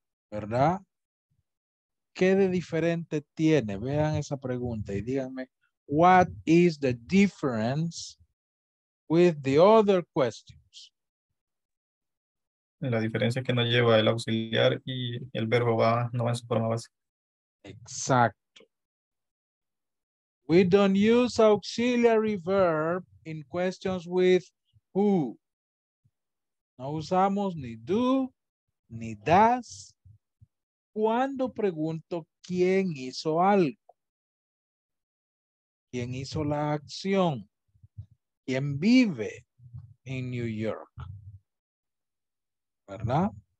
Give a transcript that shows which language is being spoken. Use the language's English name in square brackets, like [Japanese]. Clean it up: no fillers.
[Spanish] ¿verdad? ¿Qué de diferente tiene? Vean esa pregunta y díganme, [English] what is the difference with the other questions? [Spanish] La diferencia es que no lleva el auxiliar y el verbo va, no va en su forma base. Exacto. [English] We don't use auxiliary verb in questions with who. [Spanish] No usamos ni do, ni does. Cuando pregunto quién hizo algo, quién hizo la acción, quién vive en New York, ¿verdad?